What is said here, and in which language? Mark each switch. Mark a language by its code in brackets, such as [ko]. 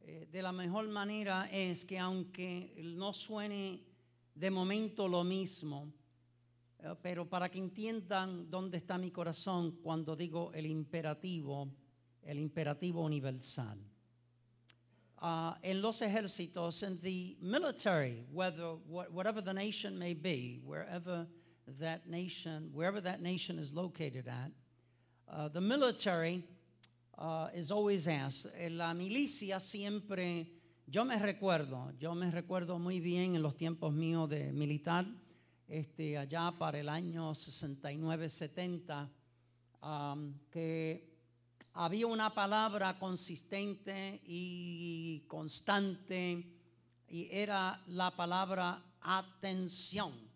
[es] De la mejor manera es que aunque no suene de momento lo mismo, pero para que entiendan dónde está mi corazón cuando digo el imperativo universal. En los ejércitos, [en] in the military, whatever the nation may be, wherever that nation is located at, the military is always asked. [es] La milicia siempre, yo me recuerdo muy bien en los tiempos míos de militar, allá para el año 69-70, que había una palabra consistente y constante, y era la palabra atención.